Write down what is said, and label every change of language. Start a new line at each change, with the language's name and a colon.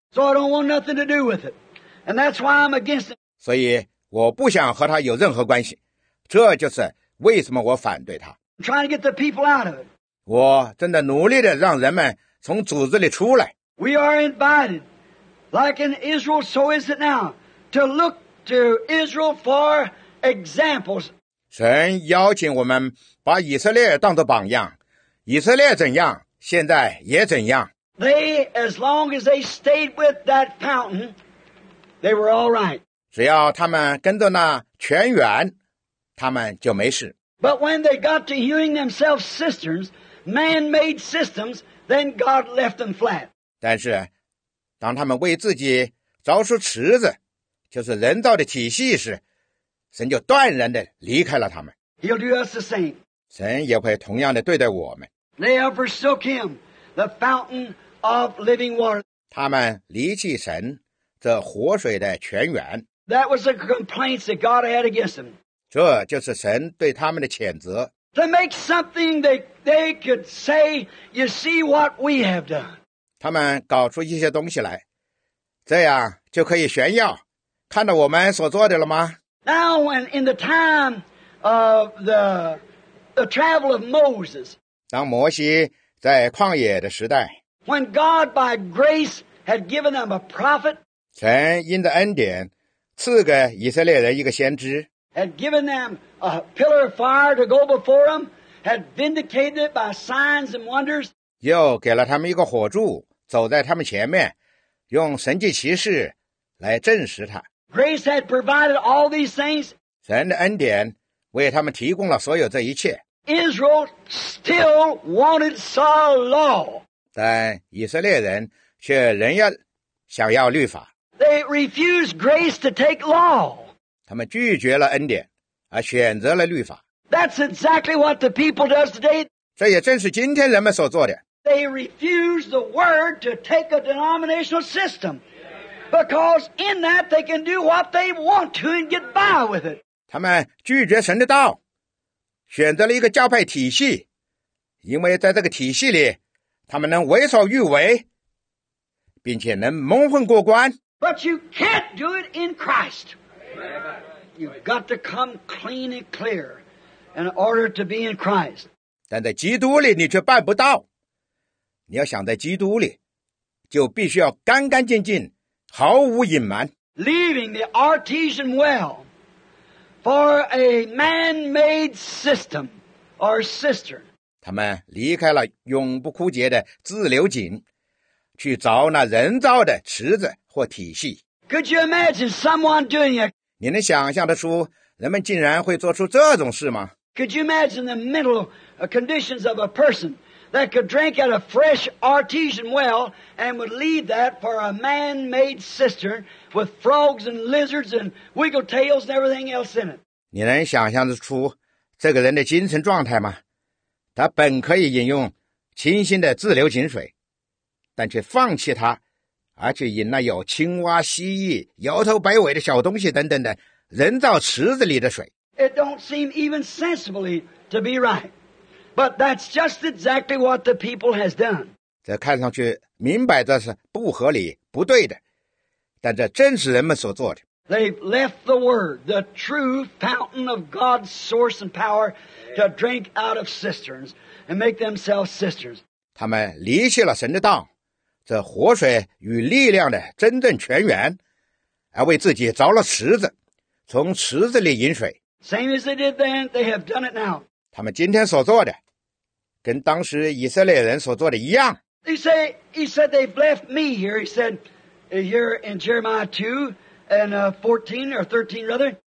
English: So I don't want nothing to do with it, and that's why I'm against it.
Chinese: 所以我不想和它有任何关系，这就是为什么我反对它。
English: I'm trying to get the people out of it.
Chinese: 我正在努力地让人们从组织里出来。
English: We are invited, like in Israel, so is it now, to look to Israel for examples.
Chinese: 神邀请我们把以色列当作榜样，以色列怎样，现在也怎样。
English: They, as long as they stayed with that fountain, they were all right.
Chinese: 只要他们跟着那泉源，他们就没事。
English: But when they got to hewing themselves cisterns, man-made systems,Then God left them flat.
Chinese: 但是当他们为自己凿出池子，就是人造的体系时，神就断然地离开了他们。
English: He'll do us the same.
Chinese: 神也会同样地对待我们。
English: They have forsook him, the fountain of living water.
Chinese: 他们离弃神，这活水的泉源。
English: That was the complaints that God had against them.
Chinese: 这就是神对他们的谴责。
English: To make something they could say, you see what we have done.
Chinese: 他们搞出一些东西来，这样就可以炫耀，看到我们所做的了吗？
English: Now, when in the time of the travel of Moses,
Chinese: 当摩西在旷野的时代，
English: when God by grace had given them a prophet,
Chinese: 神因着恩典赐给以色列人一个先知。
English: Had given them a pillar of fire to go before them, had vindicated it by signs and wonders.
Chinese: 又给了他们一个火柱，走在他们前面，用神迹奇事来证实他。
English: Grace had provided all these things.
Chinese: 神的恩典为他们提供了所有这一切。
English: Israel still wanted Saul's law.
Chinese: 但以色列人却仍然想要律法。
English: They refused grace to take law.
Chinese: 他们拒绝了恩典，而选择了律法。
English: That's exactly what the people does today.
Chinese: 这也正是今天人们所做的。
English: They refuse the word to take a denominational system. Because in that they can do what they want to and get by with it.
Chinese: 他们拒绝神的道，选择了一个教派体系，因为在这个体系里，他们能为所欲为，并且能蒙混过关。
English: But you can't do it in Christ. You've got to come clean and clear in order to be in Christ.
Chinese: 但在基督里你却办不到。你要想在基督里，就必须要干干净净，毫无隐瞒。
English: Leaving the artesian well for a man-made system or cistern.
Chinese: 他们离开了永不枯竭的自流井，去找那人造的池子或体系。
English: Could you imagine someone doing it?
Chinese: 你能想象得出人们竟然会做出这种事吗？
English: Could you imagine the mental conditions of a person that could drink at a fresh artesian well and would leave that for a man-made cistern with frogs and lizards and wiggle tails and everything else in it?
Chinese: 你能想象得出这个人的精神状态吗？他本可以饮用清新的自流井水，但却放弃它，而且饮那有青蛙、蜥蜴、摇头摆尾的小东西等等的人造池子里的水。
English: It don't seem even sensibly to be right, but that's just exactly what the people has done.
Chinese: 这看上去明摆着是不合理、不对的，但这正是人们所做的。
English: They've left the word, the true fountain of God's source and power, to drink out of cisterns and make themselves cisterns.
Chinese: 他们离弃了神的道，这活水与力量的真正泉源，而为自己凿了池子，从池子里饮水。
English: Same as they did then, they have done it now.
Chinese: 他们今天所做的，跟当时以色列人所做的一样。
English: He said they've left me here. He said here in Jeremiah 2 and 14 or 13 rather.